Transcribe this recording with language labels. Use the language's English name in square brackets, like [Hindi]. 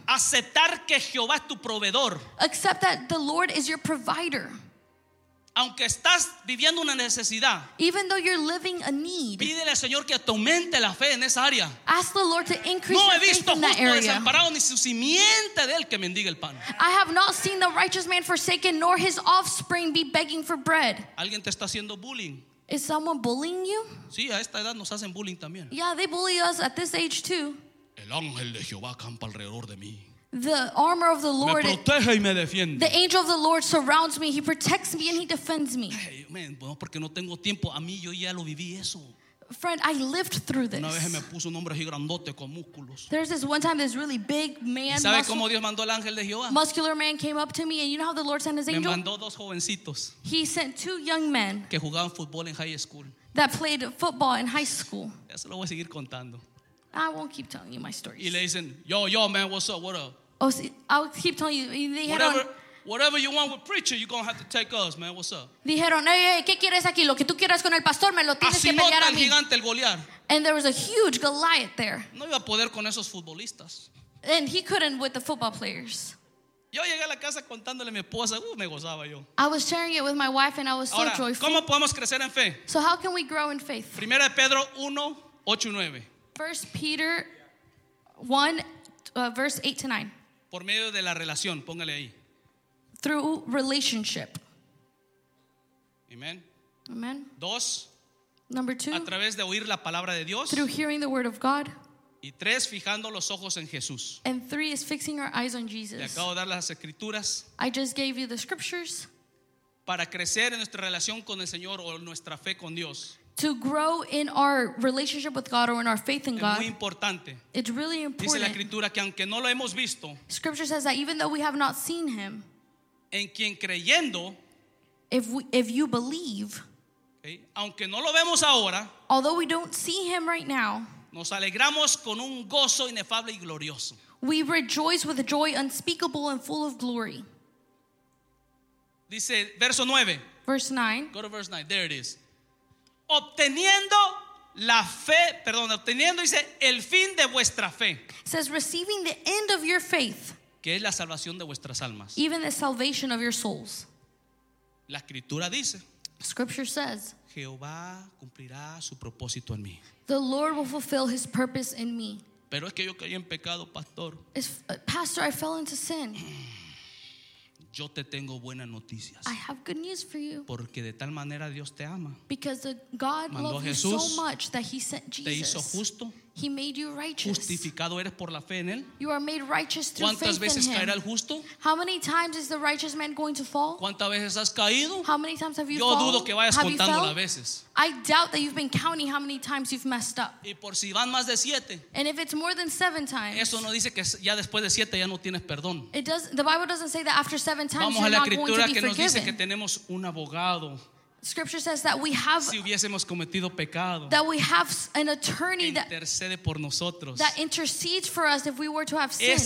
[Spanish] aceptar que Jehová es tu proveedor, [English] accept that the Lord is your provider. [Spanish] Aunque estás viviendo una necesidad, [English] even though you're living a need, [Spanish] pídele al Señor que te aumente la fe en esa área. [English] Ask the Lord to increase [Spanish] no [English] your faith in that area. [Spanish] No he visto justo desamparado ni su simiente de él que mendiga el pan. [English] I have not seen the righteous man forsaken nor his offspring be begging for bread. [Spanish] ¿Alguien te está haciendo bullying? [English] Is someone bullying you? [Spanish] Sí, a esta edad nos hacen bullying también. [English] Yeah, they bully us at this age too. [Spanish] El ángel de Jehová acampa alrededor de mí. [English] The armor of the Lord, [Spanish] me protege y me defiende. [English] The angel of the Lord surrounds me, he protects me and he defends me. Hey, man, [Spanish] bueno, porque no tengo tiempo. A mí yo ya lo viví eso. [English] Friend, I lived through this. [Spanish] Una vez me puso un hombre así grandote con músculos. [English] There's this one time this really big man, [Spanish] ¿sabe cómo Dios mandó el ángel de Jehová? [English] Muscular man came up to me and you know how the Lord sent his angel? [Spanish] Me mandó dos jovencitos. [English] He sent two young men [Spanish] que jugaban fútbol en high school. [English] That played football in high school. [Spanish] Eso lo voy a seguir contando. [English] I won't keep telling you my stories. [Spanish] Y le dicen, [English] yo man, what's up, what up? Oh, see, I'll keep telling you. They had whatever you want with preacher, you're gonna have to take us, man. What's up? [Spanish] Dijeron, hey, ¿qué quieres aquí? Lo que tú quieras con el pastor, me lo tienes así que pelear a mí. El gigante, el Goliat. [English] And there was a huge Goliath there. [Spanish] No iba a poder con esos futbolistas. [English] And he couldn't with the football players. [Spanish] Yo llegué a la casa contándole a mi esposa. Me gozaba yo. [English] I was sharing it with my wife, and I was so [Spanish] ahora, [English] joyful. [Spanish] ¿Cómo podemos crecer en fe? [English] So how can we grow in faith? [Spanish] Primera Pedro 1:8-9. [English] First Peter 1:8-9. [Spanish] Por medio de la relación, póngale ahí. [English] Through relationship. Amen. Amen. [Spanish] Dos. [English] Number two. [Spanish] A través de oír la palabra de Dios. [English] Through hearing the word of God. [Spanish] Y tres, fijando los ojos en Jesús. [English] And three is fixing our eyes on Jesus. [Spanish] Le acabo de dar las escrituras. [English] I just gave you the scriptures. [Spanish] Para crecer en nuestra relación con el Señor o nuestra fe con Dios. [English] To grow in our relationship with God or in our faith in God. [Spanish] Es muy importante. [English] It's really important. [Spanish] Dice la escritura que aunque no lo hemos visto. [English] Scripture says that even though we have not seen him. [Spanish] En quien creyendo. [English] If you believe. [Spanish] Okay, aunque no lo vemos ahora. [English] Although we don't see him right now. [Spanish] Nos alegramos con un gozo inefable y glorioso. [English] We rejoice with joy unspeakable and full of glory. [Spanish] Dice verso 9. [English] Verse 9. Go to verse 9. There it is. [Spanish] Obteniendo la fe, perdón, obteniendo, dice, el fin de vuestra fe. [English] It says receiving the end of your faith. [Spanish] Que es la salvación de vuestras almas. [English] Even the salvation of your souls. [Spanish] La escritura dice. [English] Scripture says. [Spanish] Jehová cumplirá su propósito en mí. [English] The Lord will fulfill his purpose in me. [Spanish] Pero es que yo caí en pecado, pastor. [English] Pastor, I fell into sin. [Spanish] Yo te tengo buenas noticias. [English] I have good news for you. [Spanish] Porque de tal manera Dios te ama. [English] Because God loved you so much that he sent Jesus. [Spanish] Te hizo justo. [English] He made you righteous. [Spanish] Justificado eres por la fe en él. [English] You are made righteous through faith in him. [Spanish] ¿Cuántas veces caerá el justo? [English] How many times is the righteous man going to fall? [Spanish] ¿Cuántas veces has caído? [English] How many times have you fallen? [Spanish] Yo dudo que vayas contando las veces. [English] I doubt that you've been counting how many times you've messed up. [Spanish] Y por si van más de siete. [English] And if it's more than seven times. [Spanish] Eso no dice que ya después de siete ya no tienes perdón. [English] The Bible doesn't say that after seven times you're not going to be forgiven. [Spanish] Vamos a la escritura que nos dice que tenemos un abogado. [English] Scripture says that we have [Spanish] si hubiésemos cometido pecado, [English] that we have an attorney [Spanish] que intercede por nosotros. [English] That intercedes for us if we were to have sinned.